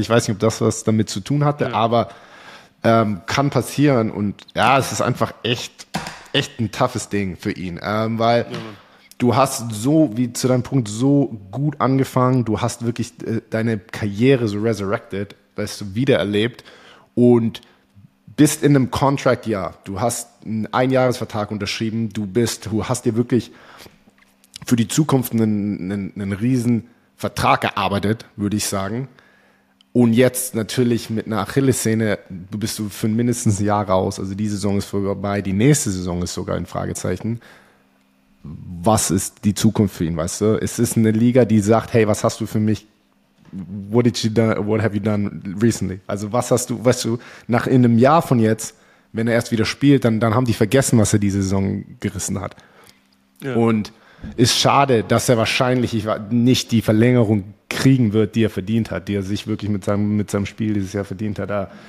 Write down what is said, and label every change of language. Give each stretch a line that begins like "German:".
German: Ich weiß nicht, ob das was damit zu tun hatte, aber. Kann passieren und ja, es ist einfach echt ein toughes Ding für ihn, weil du hast so, wie zu deinem Punkt, so gut angefangen, du hast wirklich deine Karriere so resurrected, weißt du, wiedererlebt und bist in einem Contract-Jahr, du hast einen Einjahresvertrag unterschrieben, du hast dir wirklich für die Zukunft einen riesen Vertrag erarbeitet, würde ich sagen. Und jetzt natürlich mit einer Achillessehne bist du für mindestens ein Jahr raus. Also die Saison ist vorbei, die nächste Saison ist sogar in Fragezeichen. Was ist die Zukunft für ihn, weißt du? Es ist eine Liga, die sagt, hey, was hast du für mich?
English: What have you done recently?
German: Also was hast du, weißt du, nach in einem Jahr von jetzt, wenn er erst wieder spielt, dann haben die vergessen, was er diese Saison gerissen hat. Ja. Und ist schade, dass er wahrscheinlich nicht die Verlängerung kriegen wird, die er verdient hat, die er sich wirklich mit seinem Spiel dieses Jahr verdient hat.